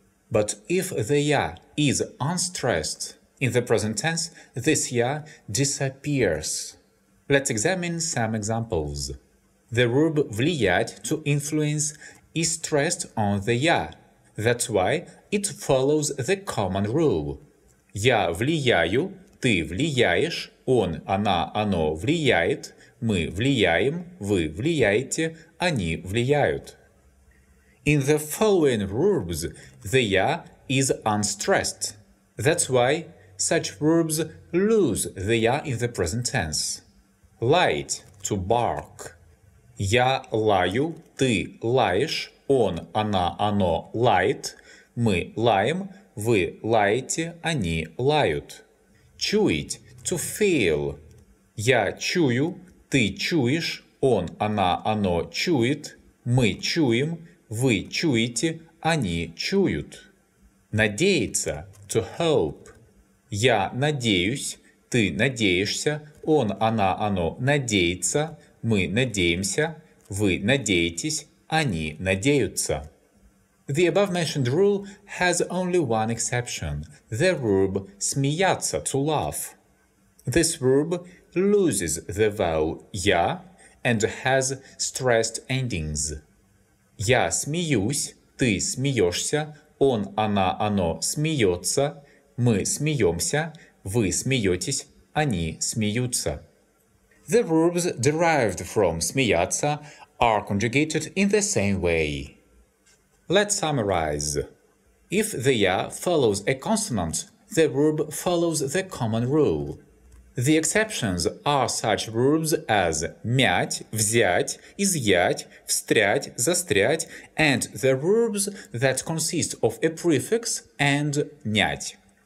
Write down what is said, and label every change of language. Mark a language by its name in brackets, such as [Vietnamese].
[English] But if the я is unstressed, in the present tense, this я disappears. Let's examine some examples. The verb влиять, to influence, is stressed on the я. That's why it follows the common rule. [Russian] Я влияю, ты влияешь, он, она, оно влияет, мы влияем, вы влияете, они влияют. [English] In the following verbs, the я is unstressed. That's why such verbs lose the я in the present tense. Light – to bark. [Russian] Я лаю, ты лаешь, он, она, оно лает, мы лаем, вы лаете, они лают. [English] Чуять – to feel. [Russian] Я чую, ты чуешь, он, она, оно чует, мы чуем, вы чуете, они чуют. Надеяться – [English] to hope. [Russian] Я надеюсь, ты надеешься, он, она, оно надеется, мы надеемся, вы надеетесь, они надеются. [English] The above-mentioned rule has only one exception – the verb смеяться – to laugh. This verb loses the vowel «я» and has stressed endings. [Russian] Я смеюсь, ты смеешься, он, она, оно смеется, мы смеемся, вы смеетесь, они смеются. [English] The verbs derived from смеяться are conjugated in the same way. Let's summarize. If the я follows a consonant, the verb follows the common rule. The exceptions are such verbs as мять, взять, изъять, встрять, застрять, and the verbs that consist of a prefix and нять.